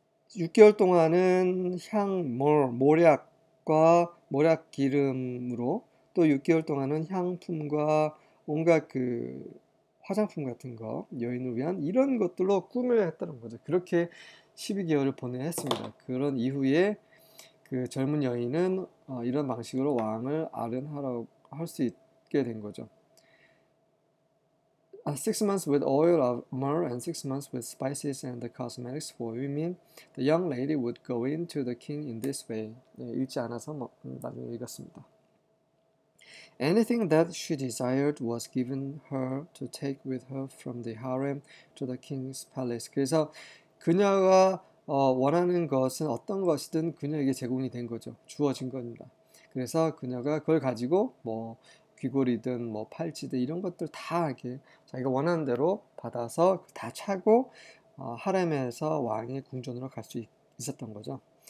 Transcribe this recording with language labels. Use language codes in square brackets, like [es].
[ko] 6개월 동안은 향, 몰약과 몰약 기름으로 또 6개월 동안은 향품과 온갖 그 화장품 같은 거 여인을 위한 이런 것들로 꾸며야 했다는 거죠. 그렇게 12개월을 보내 했습니다. 그런 이후에 그 젊은 여인은 이런 방식으로 왕을 아련하라고 할 수 있게 된 거죠. [en] Six months with oil of myrrh and six months with spices and the cosmetics for women, the young lady would go into the king in this way. [ko] 네, 읽지 않아서 나중에 읽었습니다. [en] Anything that she desired was given her to take with her from the harem to the king's palace. [ko] 그래서 그녀가 원하는 것은 어떤 것이든 그녀에게 제공이 된 거죠. 주어진 겁니다. 그래서 그녀가 그걸 가지고 뭐 귀걸이든 뭐 팔찌든 이런 것들 다 이렇게 자기가 원하는 대로 받아서 다 차고 하렘에서 왕의 궁전으로 갈 수 있었던 거죠.